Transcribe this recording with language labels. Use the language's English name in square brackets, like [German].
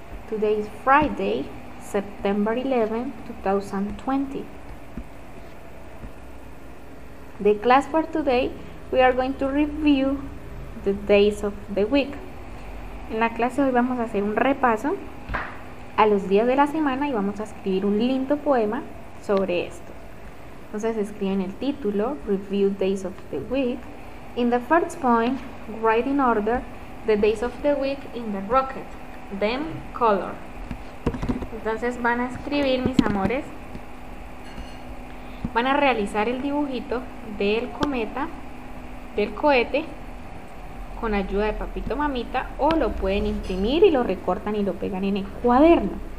[English] Today is Friday, September 11, 2020. The class for today, we are going to review the days of the week. [Spanish] En la clase hoy vamos a hacer un repaso a los días de la semana y vamos a escribir un lindo poema sobre esto. Entonces escriben el título, [English] review days of the week. In the first point, write in order the days of the week in the rocket, then color. [Spanish] Entonces van a escribir, mis amores, van a realizar el dibujito del cometa, del cohete, con ayuda de papito mamita, o lo pueden imprimir y lo recortan y lo pegan en el cuaderno.